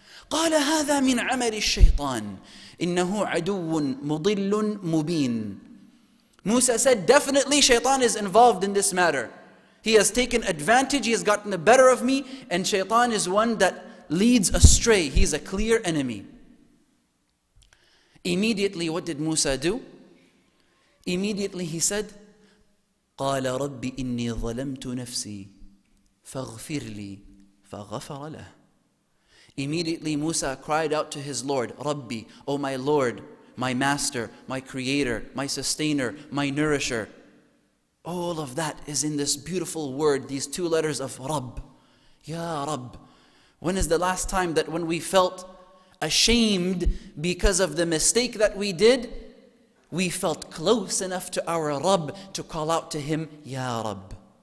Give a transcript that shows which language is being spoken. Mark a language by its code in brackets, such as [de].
[ar] قَالَ هَذَا مِنْ عَمَلِ الشَّيْطَانِ إِنَّهُ عَدُوٌ مُضِلٌ مُبِينٌ. [en] Musa said, definitely shaitan is involved in this matter. He has taken advantage, he has gotten the better of me, and shaitan is one that leads astray. He's a clear enemy. Immediately, what did Musa do? Immediately he said, [ar] قَالَ رَبِّ إِنِّي ظَلَمْتُ نَفْسِي فَاغْفِرْ لِي فَغَفَرَ لَهُ. [en] Immediately Musa cried out to his Lord, رَبِّي, O my Lord, my master, my creator, my sustainer, my nourisher. All of that is in this beautiful word, these two letters of Rabb. Ya Rabb. When is the last time that when we felt ashamed because of the mistake that we did, we felt close enough to our Rabb to call out to him, Ya Rabb.